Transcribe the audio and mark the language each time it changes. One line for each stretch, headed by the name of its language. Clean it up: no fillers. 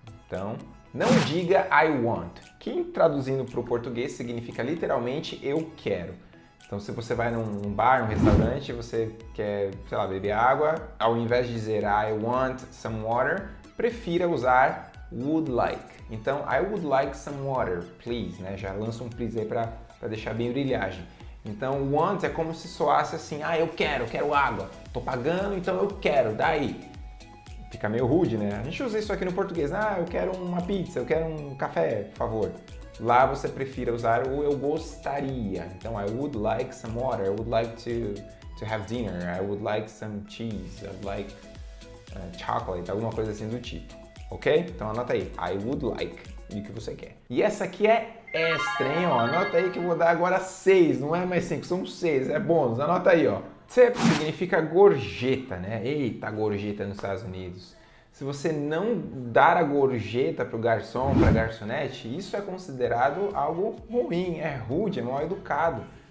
Portuguese: Então, não diga I want, que traduzindo para o português significa literalmente eu quero. Então se você vai num bar, num restaurante, você quer, sei lá, beber água, ao invés de dizer
English: I want some water,
Portuguese: prefira usar
English: would like. Então, I would like some water, please, né?
Portuguese: Já lança um please aí pra deixar bem brilhagem. Então, want é como se soasse assim, ah, eu quero água. Tô pagando, então eu quero, daí. Fica meio rude, né? A gente usa isso aqui no português. Ah, eu quero uma pizza, eu quero um café, por favor. Lá você prefira usar o eu gostaria.
English: Então, I would like some water, I would like to have dinner, I would like some cheese, I would like chocolate,
Portuguese: alguma coisa assim do tipo.
English: Ok?
Portuguese: Então anota aí,
English: I would like,
Portuguese: e o que você quer. E essa aqui é extra, hein? Ó. Anota aí que eu vou dar agora 6, não é mais 5, são 6, é bônus. Anota aí, ó. Tip significa gorjeta, né? Eita, gorjeta nos Estados Unidos. Se você não dar a gorjeta pro garçom, pra garçonete, isso é considerado algo ruim, é rude, é mal educado.